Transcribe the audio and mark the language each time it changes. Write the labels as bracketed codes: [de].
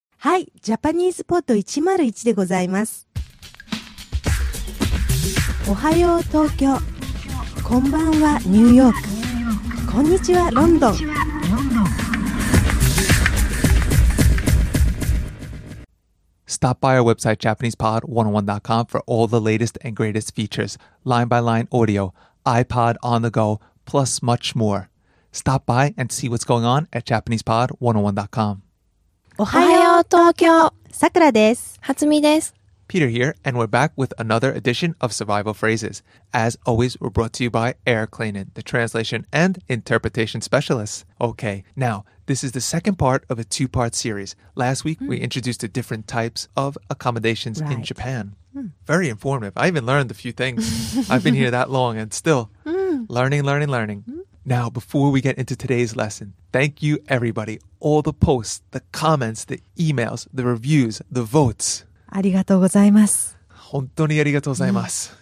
[ja] はい、ジャパニーズポット101でございます。おはよう東京、こんばんはニューヨーク、こんにちはロンドン。 [en] Stop by our website, JapanesePod101.com, for all the latest and greatest features, line-by-line audio, iPod on the go, plus much more. Stop by and see what's going on at JapanesePod101.com. [ja] おはよう、東京。さくらです。はつみです。 [en] Peter here, and we're back with another edition of Survival Phrases. As always, we're brought to you by Air Clanin, the translation and interpretation specialist. Okay, now, this is the second part of a two-part series. Last week, we introduced the different types of accommodations in Japan. Very informative. I even learned a few things. I've been here that long and still learning. Now, before we get into today's lesson, thank you, everybody. All the posts, the comments, the emails, the reviews, the votes... [ja] ありがとうございます。本当にありがとうございます。